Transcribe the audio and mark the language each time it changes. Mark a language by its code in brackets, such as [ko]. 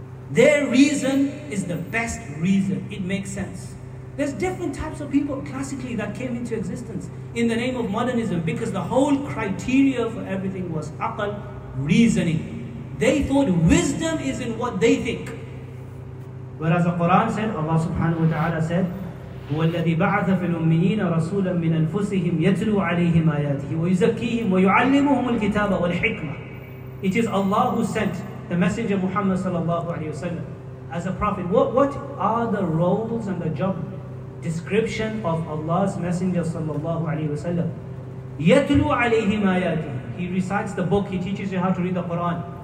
[en] Their reason is the best reason, it makes sense. There's different types of people classically that came into existence in the name of modernism, because the whole criteria for everything was aql, reasoning. They thought wisdom is in what they think. Whereas the Quran said, Allah subhanahu wa ta'ala said, [ar] هُوَ الَّذِي بَعَثَ فِي الْأُمِّيِّينَ رَسُولًا مِّنْ أَنفُسِهِمْ يَتْلُو عَلَيْهِمْ آيَاتِهِ وَيُزَكِّيهِمْ وَيُعَلِّمُهُمُ الْكِتَابَ وَالْحِكْمَةِ. [en] It is Allah who sent the Messenger Muhammad sallallahu alayhi wa sallam as a prophet. What are the roles and the job description of Allah's Messenger sallallahu alayhi wa sallam? [ar] يَتْلُو عَلَيْهِمْ آيَاتِهِ. [en] He recites the book, he teaches you how to read the Quran.